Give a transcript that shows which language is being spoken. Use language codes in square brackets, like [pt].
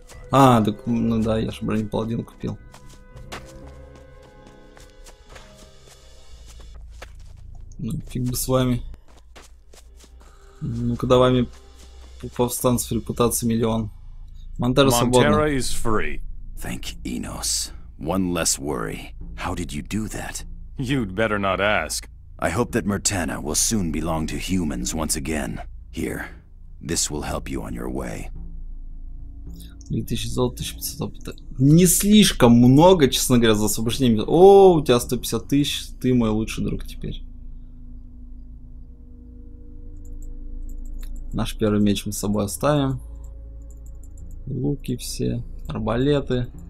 [ru] А, так, ну да, я же бронепаладин купил. Ну, фиг бы с вами. Ну-ка, давай повстанцев репутации миллион. Монтеро свободно. Монтеро [en] is free. Thank Enos. One less worry. How did you do that? You'd better not ask. I hope that Mertana will soon belong to humans once again. Here, this will help you on your way. [ru] 2000 золота, 1500 опыта. Не слишком много, честно говоря, за освобождение. О, у тебя 150 тысяч, ты мой лучший друг теперь. Наш первый меч мы с собой оставим. Луки все, арбалеты.